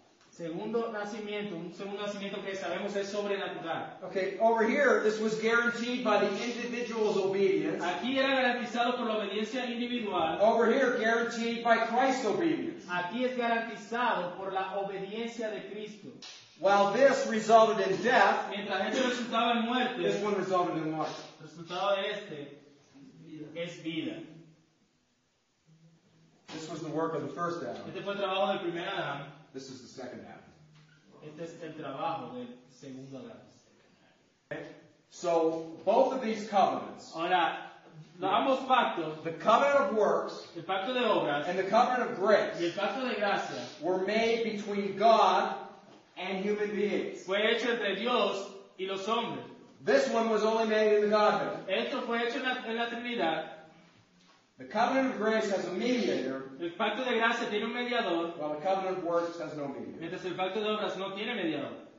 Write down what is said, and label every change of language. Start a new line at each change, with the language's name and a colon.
Spanish: Segundo nacimiento, un segundo nacimiento que sabemos es sobrenatural.
English: Okay, over here, this was guaranteed by the individual's obedience.
Spanish: Aquí era garantizado por la obediencia individual.
English: Over here, guaranteed by Christ's obedience.
Spanish: Aquí es garantizado por la obediencia de Cristo.
English: While this resulted in death,
Spanish: mientras este resultaba en muerte,
English: this one resulted in what?
Spanish: Resultado de este es vida.
English: This was the work of the first Adam.
Spanish: Este fue el trabajo del primer Adam.
English: This is the second Adam.
Spanish: Este es el trabajo del segundo Adam.
English: Okay. So both of these covenants.
Spanish: Ahora, ambos pactos,
English: the covenant of works,
Spanish: el pacto de obras,
English: and the covenant of grace,
Spanish: y el pacto de gracia,
English: were made between God and human beings.
Spanish: Fue hecho entre Dios y los hombres.
English: This one was only made in the Godhead.
Spanish: Esto fue hecho en la Trinidad.
English: The covenant of grace has a mediator.
Spanish: El pacto de gracia tiene un mediador.
English: While the covenant of works has no mediator.
Spanish: Mientras el pacto de obras no tiene mediador.